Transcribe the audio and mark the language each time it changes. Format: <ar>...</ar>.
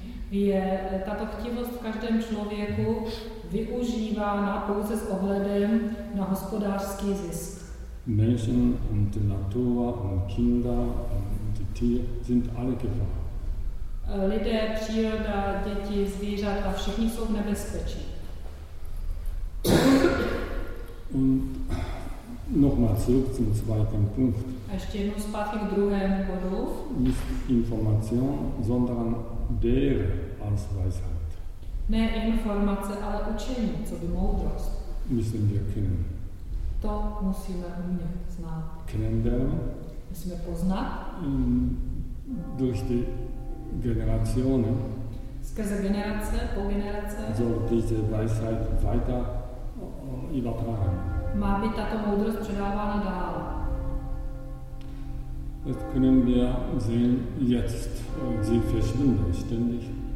<cs>Je tato chtivost v každém člověku využívána pouze s ohledem na hospodářský zisk.</cs> <de>Menschen und Natur und Kinder sind alle gefahr.</de> <cs>Lidé, příroda, děti, zvířata, všichni jsou v nebezpečí.</cs> <de>Und nochmal zurück zum zweiten Punkt.</de> <cs>A ještě jednou zpátky k druhému bodu.</cs> <de>Nicht Information, sondern der als Weisheit.</de> <cs>Ne informace, ale učení, co by moudrost.</cs> <de>Müssen wir kennen.</de> <cs>To musíme umět znát.</cs> <de>Kennenlernen.</de> <cs>Musíme poznat.</cs> <de>Durch die Generationen.</de> <cs>Skrze generace, po generace.</cs> <de>So diese Weisheit weiter übertragen.</de> <cs>Má být tato moudrost předávána dál.</cs> <de>Das können wir sehen jetzt. Sie verschwinden ständig.</de>